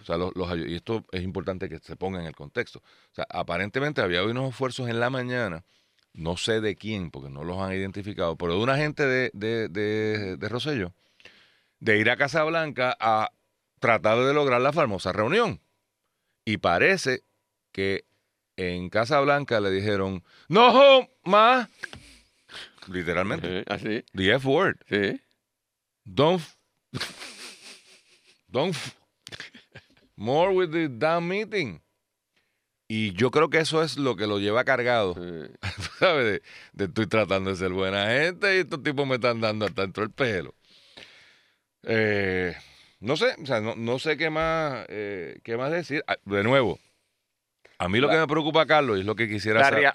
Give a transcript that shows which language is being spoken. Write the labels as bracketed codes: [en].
[es] O sea, y esto es importante que se ponga en el contexto. O sea, aparentemente había habido unos esfuerzos en la mañana, no sé de quién, porque no los han identificado, pero de un agente de Rosselló, de ir a Casablanca a tratar de lograr la famosa reunión. Y parece que en Casablanca le dijeron, ¡no, ma! Literalmente. ¿Así? [en] The F word. [es] Sí. [en] Don't more with the damn meeting. [es] Y yo creo que eso es lo que lo lleva cargado. Sí. ¿Sabes? De estoy tratando de ser buena gente y estos tipos me están dando hasta dentro del pelo. No sé, o sea, no sé qué más decir. De nuevo, a mí lo que me preocupa, Carlos, es lo que quisiera saber.